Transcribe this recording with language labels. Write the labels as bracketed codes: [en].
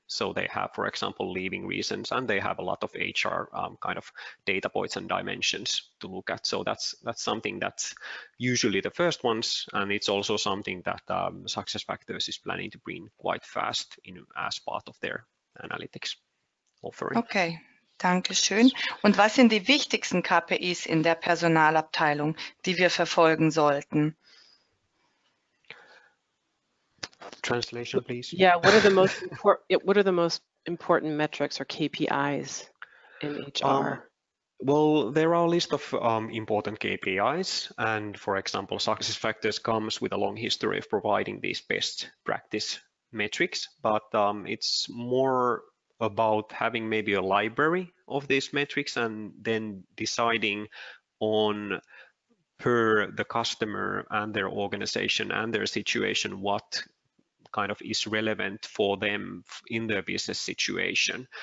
[en] So they have, for example, leaving reasons, and they have a lot of HR kind of data points and dimensions to look at. So that's something that's usually the first ones, and it's also something that SuccessFactors is planning to bring quite fast in as part of their analytics offering. [de] Okay, danke schön. Und was sind die wichtigsten KPIs in der Personalabteilung, die wir verfolgen sollten? [en] Translation, please. Yeah, what are the most important metrics or KPIs in HR? Well, there are a list of important KPIs, and for example, SuccessFactors comes with a long history of providing these best practice metrics, but it's more about having maybe a library of these metrics and then deciding on per the customer and their organization and their situation what kind of is relevant for them in their business situation.